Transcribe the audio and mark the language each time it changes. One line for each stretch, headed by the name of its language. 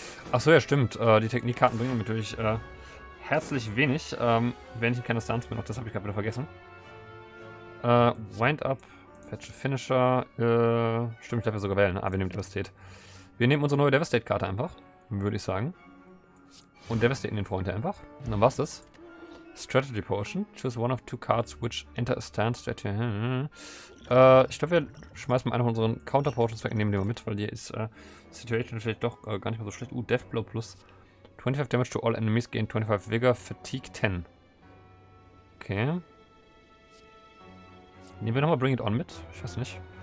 German: Achso, ja, stimmt. Die Technikkarten bringen mir natürlich herzlich wenig, wenn ich in keiner Stance bin. Auch das habe ich gerade wieder vergessen. Wind up, Fetch a Finisher. Stimmt, ich darf ja sogar wählen. Ah, wir nehmen Devastate. Wir nehmen unsere neue Devastate-Karte einfach, würde ich sagen. Und devastaten den Freund hier einfach. Und dann war's das. Strategy Potion.
English: Choose one of two cards which enter a stance that you.
German: Ich glaube, wir schmeißen mal eine von unseren Counter-Potions weg und nehmen die mal mit, weil die ist Situation vielleicht doch gar nicht mal so schlecht.
English: Deathblow plus 25 Damage to all enemies gain 25 Vigor, Fatigue 10. Okay.
German: Nehmen wir nochmal Bring It On mit? Ich weiß nicht.